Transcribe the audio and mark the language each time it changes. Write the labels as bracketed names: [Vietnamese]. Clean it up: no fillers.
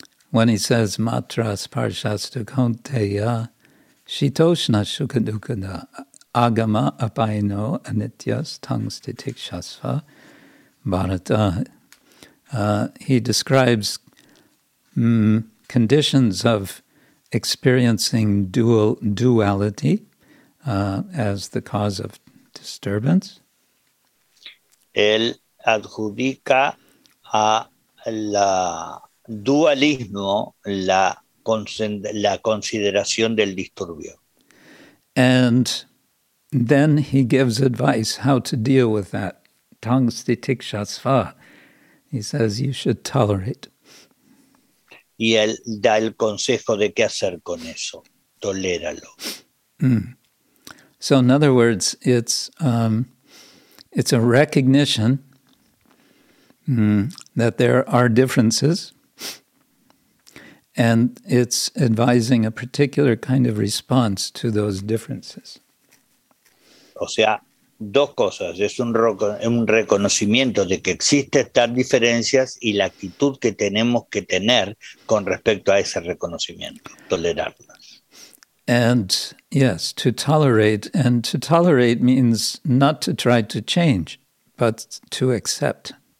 [English] When he says [Sanskrit] matras parshastu kaunteya shitoshna shukadukada agama apaino anityas tangstitikshasva bharata, [English] he describes conditions of experiencing duality as the cause of disturbance. [Spanish] Él adjudica a la dualismo la consideración del disturbio. [English] And then he gives advice how to deal with that. Tangstitikshasva. He says you should tolerate. [Spanish] Y él da el consejo de qué hacer con eso. Toléralo. [English] So in other words, it's a recognition that there are differences, and it's advising a particular kind of response to those differences. [Spanish] O sea, dos cosas. Es un reconocimiento de que existen estas diferencias y la actitud que tenemos que tener con respecto a ese reconocimiento, tolerarlas. [English] And yes, to tolerate, and to tolerate means not to try to change, but to accept.